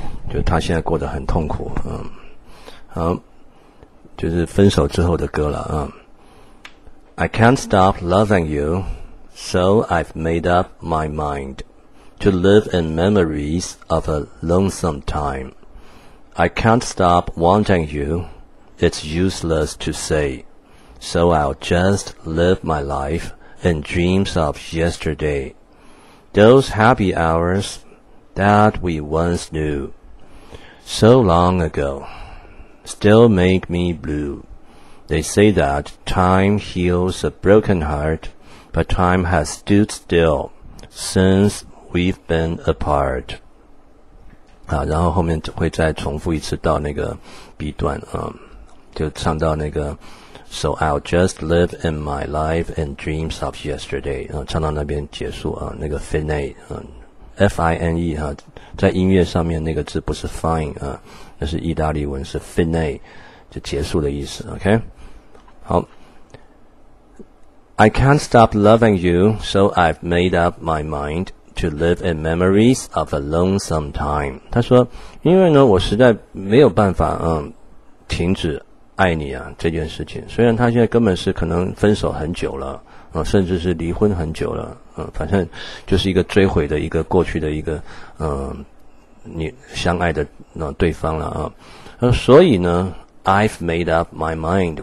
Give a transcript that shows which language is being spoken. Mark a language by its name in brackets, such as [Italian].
[Chinese] 就他现在过得很痛苦好，就是分手之后的歌了 [English] I can't stop loving you, so I've made up my mindTo live in memories of a lonesome time. I can't stop wanting you. It's useless to say. So I'll just live my life in dreams of yesterday. Those happy hours that we once knew so long ago still make me blue. They say that time heals a broken heart, but time has stood still since We've been apart. [Chinese] 好，然后后面会再重复一次到那个 B 段就唱到那个 [English] So I'll just live in my life and dreams of yesterday [Chinese] 唱到那边结束那个 fine F-I-N-E 在音乐上面那个字不是 fine 那是意大利文是 fine 就结束的意思 OK 好 [English] I can't stop loving you, so I've made up my mindTo live in memories of a lonesome time. [Chinese] 他说因为呢我实在没有办法停止爱你啊这件事情。虽然他现在根本是可能分手很久了甚至是离婚很久了反正就是一个追悔的一个过去的一个你相爱的对方了所以呢 [English] I've made up my mind.